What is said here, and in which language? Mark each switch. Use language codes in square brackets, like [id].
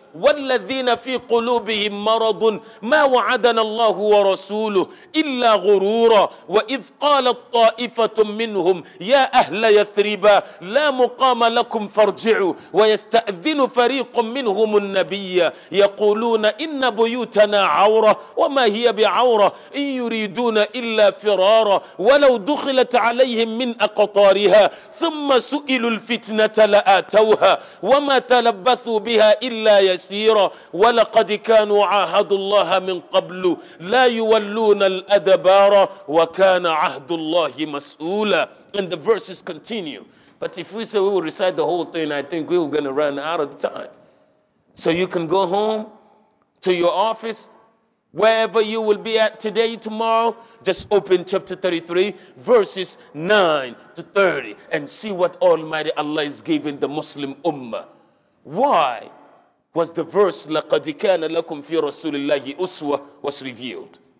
[ar] والذين في قلوبهم مرض ما وعدنا الله ورسوله إلا غرورا وإذ قالت طائفة منهم يا أهل يثرب لا مقام لكم فارجعوا ويستأذن فريق منهم النبي يقولون إن بيوتنا عورة وما هي بعورة إن يريدون إلا فرارا ولو دخلت عليهم من أقطارها ثم سئلوا الفتنة لآتوها وما تلبثوا بها إلا يسيرا ولقد كانوا عاهدوا الله من قبل لا يولون الأدبار وكان عهد الله مسؤولا. [en] And the verses continue. But if we say we will recite the whole thing, I think we were going to run out of time. So you can go home to your office, wherever you will be at today, tomorrow, just open chapter 33, verses 9 to 30, and see what Almighty Allah is giving the Muslim Ummah. Why was the verse [ar] لَقَدْ كَانَ لَكُمْ فِي رَسُولِ اللَّهِ أُسْوَةٌ [en] was revealed?